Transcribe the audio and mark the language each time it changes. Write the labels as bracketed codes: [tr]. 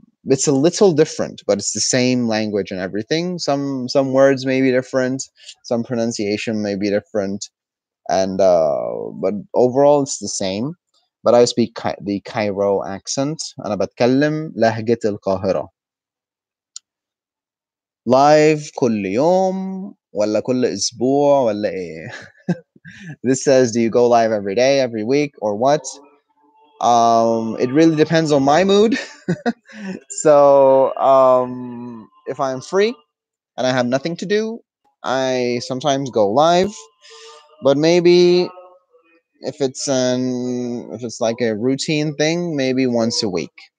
[en] It's a little different, but it's the same language and everything. Some words may be different, some pronunciation may be different, and but overall it's the same. But I speak the Cairo accent. [ar] أنا بتكلم لهجة القاهرة. Live كل يوم ولا كل أسبوع ولا إيه. [en] This says, do you go live every day, every week, or what? It really depends on my mood. So if I'm free and I have nothing to do, I sometimes go live. But maybe if it's like a routine thing, maybe once a week.